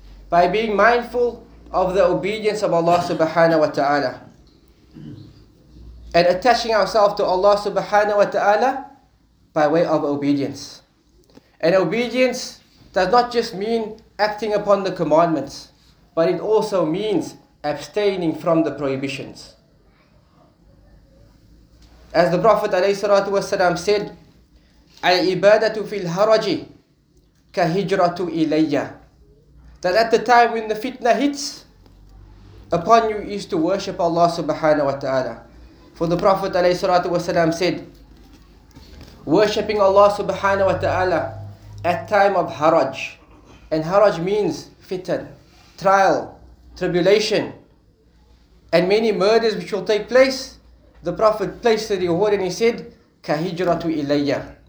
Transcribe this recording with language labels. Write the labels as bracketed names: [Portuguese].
[English] By being mindful of the obedience of Allah subhanahu wa ta'ala and attaching ourselves to Allah subhanahu wa ta'ala by way of obedience. And obedience does not just mean acting upon the commandments, but it also means abstaining from the prohibitions. As the Prophet alayhi salatu wasalam said, [Arabic] العبادة في الهرج كهجرة إلي. [English] That at the time when the fitna hits upon you is to worship Allah subhanahu wa ta'ala. For the Prophet alayhi salatu wasalam said, worshipping Allah subhanahu wa ta'ala at time of haraj, and haraj means fitan, trial, tribulation, and many murders which will take place, the Prophet placed the reward and he said, [Arabic] كهجرة إلي.